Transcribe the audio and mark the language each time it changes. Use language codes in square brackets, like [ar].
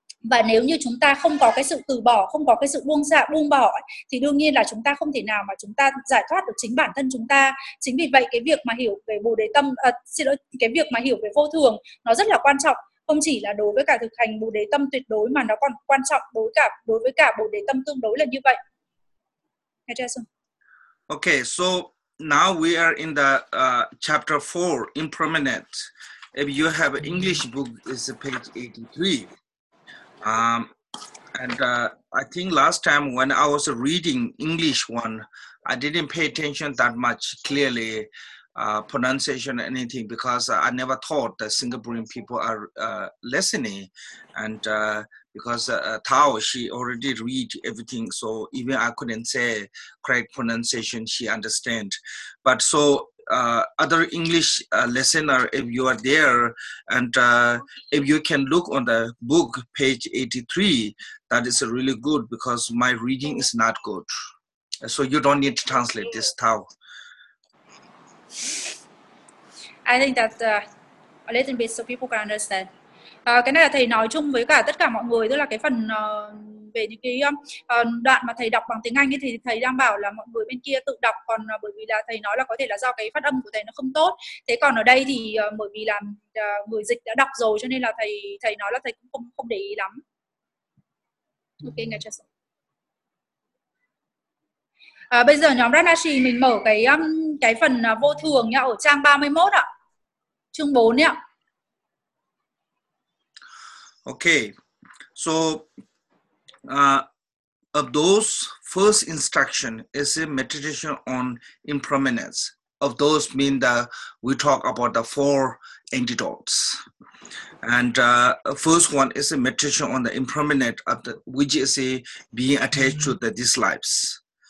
[vi] Và nếu như chúng ta không có cái sự từ bỏ, không có cái sự buông bỏ thì đương nhiên là chúng ta không thể nào mà chúng ta giải thoát được chính bản thân chúng ta. Chính vì vậy cái việc mà hiểu về Bồ Đề Tâm, cái việc mà hiểu về vô thường nó rất là quan trọng. Không chỉ là đối với cả thực hành Bồ Đề Tâm tuyệt đối mà nó còn quan trọng đối với cả Bồ Đề Tâm tương đối là như vậy. [en] Okay, so now we are in the chapter 4, impermanent. If you have an English book, it's page 83. I think last time when I was reading English one, I didn't pay attention that much clearly. Pronunciation or anything, because I never thought that Singaporean people are listening, and because Tao, she already read everything, so even I couldn't say correct pronunciation, she understand. But so other English listener, if you are there, and if you can look on the book, page 83, that is really good, because my reading is not good. So you don't need to translate this, Tao. I think that a little bit so people can understand. [vi] Cái này là thầy nói chung với cả tất cả mọi người, tức là cái phần về những cái đoạn mà thầy đọc bằng tiếng Anh ấy, thì thầy đang bảo là mọi người bên kia tự đọc, còn bởi vì là thầy nói là có thể là do cái phát âm của thầy nó không tốt. Thế còn ở đây thì bởi vì là người dịch đã đọc rồi cho nên là thầy nói là thầy cũng không để ý lắm. Ok, nghe chưa? Bây giờ nhóm Ranashi mình mở cái phần vô thường nhá, ở trang 31 ạ. Chương 4 ạ. [en] Okay. So of those first instruction is a meditation on impermanence. Of those mean that we talk about the four antidotes. And first one is a meditation on the impermanent of the, which is a being attached to the these lives.